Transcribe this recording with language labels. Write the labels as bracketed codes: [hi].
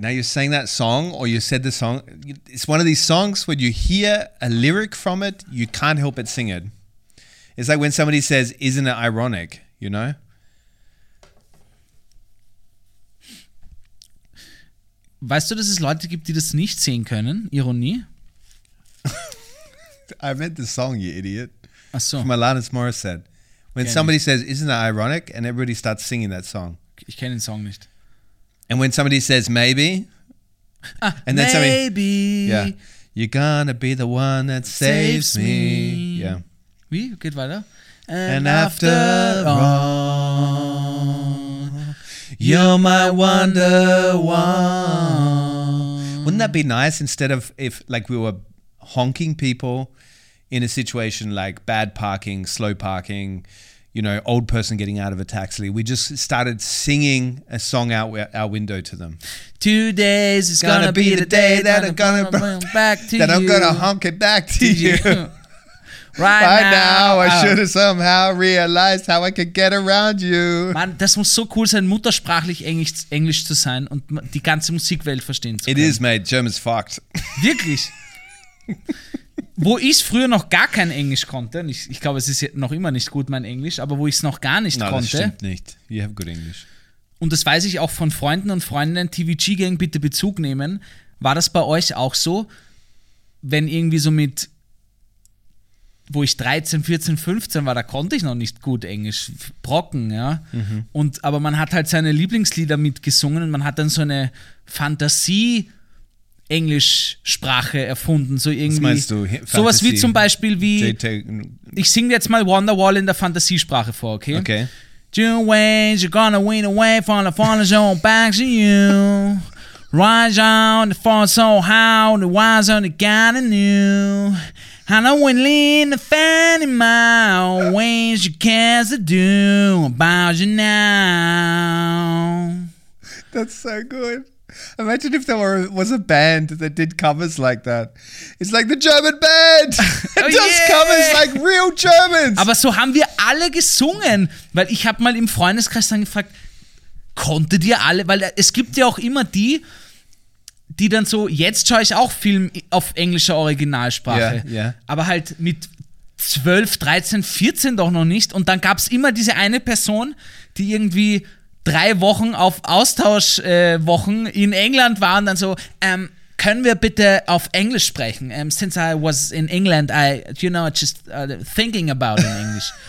[en] Now you sang that song or you said the song. It's one of these songs when you hear a lyric from it, you can't help but sing it. It's like when somebody says, isn't it ironic, you know? [de] Weißt du, dass es Leute gibt, die das nicht sehen können? Ironie? [en] I meant the song, you idiot. [de] Ach so. [en] From Alanis Morissette. When somebody says, isn't that ironic? And everybody starts singing that song. [de] Ich kenne den Song nicht. [en] And when somebody says, maybe. And then maybe. Somebody, yeah. You're gonna be the one that saves me. Yeah. [de] Wie? Geht weiter. [en] And after all, you're my wonder one. Wouldn't that be nice instead of if like we were honking people in a situation like bad parking, slow parking, you know, old person getting out of a taxi, we just started singing a song out our window to them. 2 days is gonna be the day that I'm gonna bring back to that you. That I'm gonna honk it back to you. Right by now I should have somehow realized how I could get around you. [de] Mann, das muss so cool sein, muttersprachlich Englisch zu sein und die ganze Musikwelt verstehen zu können. [en] It is, mate. German's fucked. [de] Wirklich? Wo ich früher noch gar kein Englisch konnte, ich glaube, es ist noch immer nicht gut, mein Englisch, aber wo ich es noch gar nicht konnte. Das stimmt nicht. [en] You have good English. [de] Und das weiß ich auch von Freunden und Freundinnen, TVG-Gang, bitte Bezug nehmen. War das bei euch auch so, wenn irgendwie so mit wo ich 13, 14, 15 war, da konnte ich noch nicht gut Englisch, brocken, ja. Mhm. Und, aber man hat halt seine Lieblingslieder mitgesungen und man hat dann so eine Fantasie-Englischsprache erfunden, so irgendwie. Was meinst du? Sowas wie zum Beispiel wie, ich singe jetzt mal Wonderwall in der Fantasiesprache vor, okay? Okay. [en] Two ways, you're gonna win away from the fallen zone back to you. Rise on the fall so how the wise only got a new. I know when lean the fan in my ways you cares to do about you now. That's so good. Imagine if there were, was a band that did covers like that. It's like the German band. It does covers like real Germans. [de] Aber so haben wir alle gesungen. Weil ich habe mal im Freundeskreis dann gefragt, konntet ihr alle, weil es gibt ja auch immer die, die dann so, jetzt schaue ich auch Film auf englischer Originalsprache. [en] Yeah, yeah. [de] Aber halt mit 12, 13, 14 doch noch nicht. Und dann gab es immer diese eine Person, die irgendwie 3 Wochen auf Austauschwochen in England war und dann so, können wir bitte auf Englisch sprechen? [en] Since I was in England, I, you know, just thinking about in English.